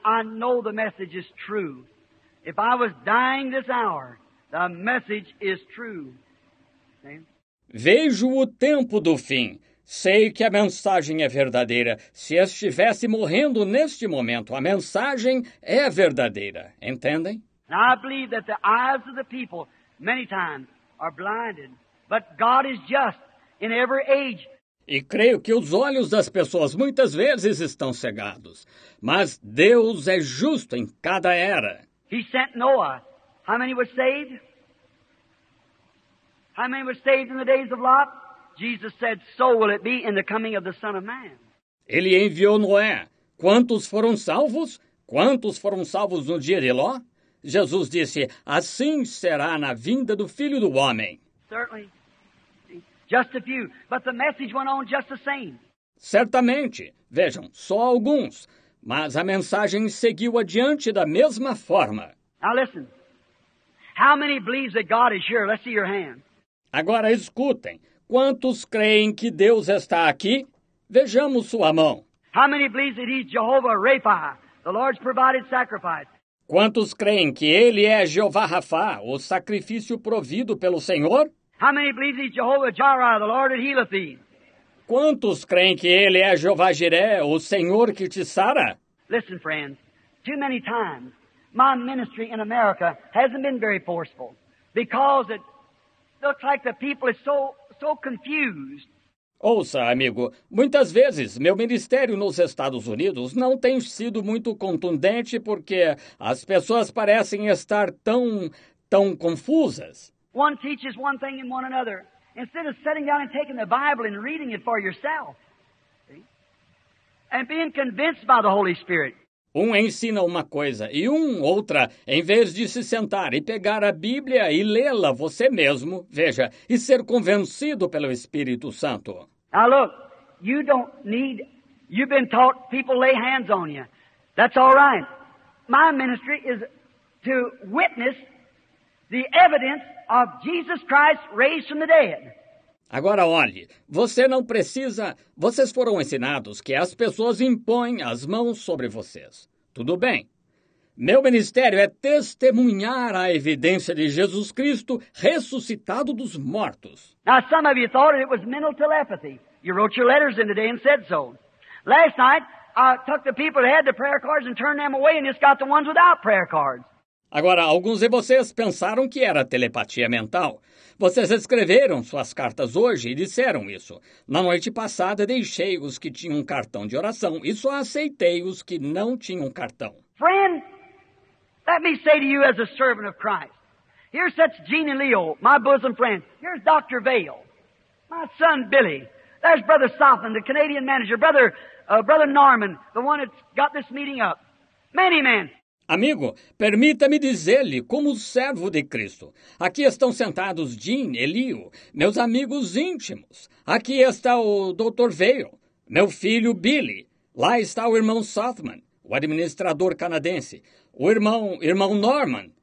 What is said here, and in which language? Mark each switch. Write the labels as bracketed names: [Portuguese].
[English] I know the message is true. If I was dying this hour, the message is true. See? [Portuguese] Vejo o tempo do fim. Sei que a mensagem é verdadeira. Se estivesse morrendo neste momento, a mensagem é verdadeira. Entendem? [English] Now I believe that the eyes of the people many times are blinded, but God is just in every age. [Portuguese] E creio que os olhos das pessoas muitas vezes estão cegados, mas Deus é justo em cada era. [English] He sent Noah. How many were saved? How many were saved in the days of Lot? Jesus said, so will it be in the coming of the Son of Man. [Portuguese] Ele enviou Noé. Quantos foram salvos? Quantos foram salvos no dia de Ló? Jesus disse, assim será na vinda do Filho do Homem. [English] Certainly. Just a few. But the message went on just the same. [Portuguese] Certamente. Vejam, só alguns. Mas a mensagem seguiu adiante da mesma forma. [English] Now listen. How many believe that God is here? Let's see your hand. [Portuguese] Agora escutem. Quantos creem que Deus está aqui? Vejamos sua mão. [English] How many believe that He's Jehovah Rapha, the Lord's provided sacrifice? [Portuguese] Quantos creem que Ele é Jeová Rafá, o sacrifício provido pelo Senhor? [English] How many believe He's Jehovah Jireh, the Lord that healeth thee? [Portuguese] Quantos creem que Ele é Jeová Jireh, o Senhor que te sara? [English] Listen, friends. Too many times, my ministry in America hasn't been very forceful because it looks like the people is so confused. [Portuguese] Ouça, amigo, muitas vezes meu ministério nos Estados Unidos não tem sido muito contundente porque as pessoas parecem estar tão confusas. [English] One teaches one thing and one another, instead of sitting down and taking the Bible and reading it for yourself, see? And being convinced by the Holy Spirit. [Portuguese] Um ensina uma coisa e um outra, em vez de se sentar e pegar a Bíblia e lê-la você mesmo, veja, e ser convencido pelo Espírito Santo. [English] Now look, you don't need, you've been taught people lay hands on you. That's all right. My ministry is to witness the evidence of Jesus Christ raised from the dead. [Portuguese] Agora olhe, você não precisa, vocês foram ensinados que as pessoas impõem as mãos sobre vocês. Tudo bem. Meu ministério é testemunhar a evidência de Jesus Cristo ressuscitado dos mortos. [English] Now some of you thought it was mental telepathy. You wrote your letters in today and said so. Last night I took the people that had the prayer cards and turned them away and just got the ones without prayer cards. [Portuguese] Agora, alguns de vocês pensaram que era telepatia mental. Vocês escreveram suas cartas hoje e disseram isso. Na noite passada, deixei os que tinham um cartão de oração e só aceitei os que não tinham cartão. [English] Friend, let me say to you as a servant of Christ. Here's such Jeannie Leo, my bosom friend. Here's Dr. Vail, my son Billy. There's Brother Soffin, the Canadian manager. Brother Norman, the one that's got this meeting up. Many men. [Portuguese] Amigo, permita-me dizer-lhe como servo de Cristo. Aqui estão sentados Jean, Elio, meus amigos íntimos. Aqui está o Dr. Vail, meu filho Billy. Lá está o irmão Southman, o administrador canadense, o irmão Norman.